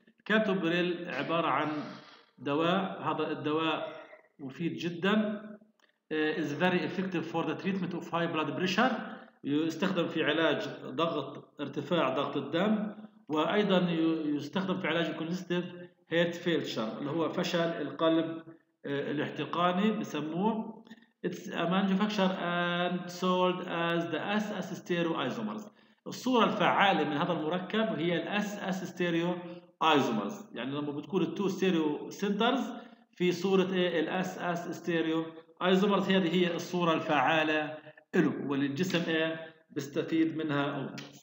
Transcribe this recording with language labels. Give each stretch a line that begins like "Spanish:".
Arabic: الكابتوبريل عبارة عن دواء، هذا الدواء مفيد جدا،
English: is very effective for the treatment of high blood pressure،
Arabic: يستخدم في علاج ضغط ارتفاع ضغط الدم، وأيضا يستخدم في علاج congestive heart failure اللي هو فشل القلب الاحتقاني بسموه.
English: It's manufactured and sold as the SS stereoisomers.
Arabic: الصورة الفعالة من هذا المركب هي الـ SS stereoisomers. يعني لما بتكون الـ 2 stereo centers في صورة الـ SS stereoisomers، هذه هي الصورة الفعالة له والجسم بيستفيد منها.